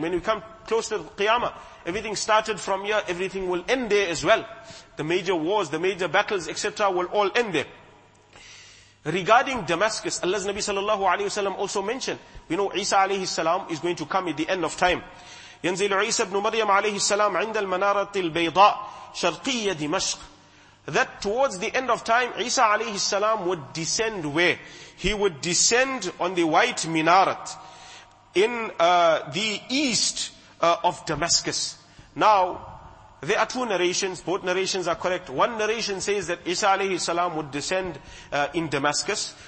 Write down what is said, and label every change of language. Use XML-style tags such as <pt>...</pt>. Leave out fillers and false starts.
<en>When we come close to the Qiyamah, everything started from here, everything will end there as well. The major wars, the major battles, etc. will all end there. Regarding Damascus, Allah's Nabi sallallahu alayhi wa sallam also mentioned, we know Isa alayhi salam is going to come at the end of time.</en> <ar>ينزل عيسى ابن مريم عليه السلام عند المنارة البيضاء شرقية دمشق.</ar> <en>That towards the end of time, Isa alayhi salam would descend where? He would descend on the white minaret in the east of Damascus. Now, there are two narrations. Both narrations are correct. One narration says that Isa alayhi salam would descend in Damascus.</en>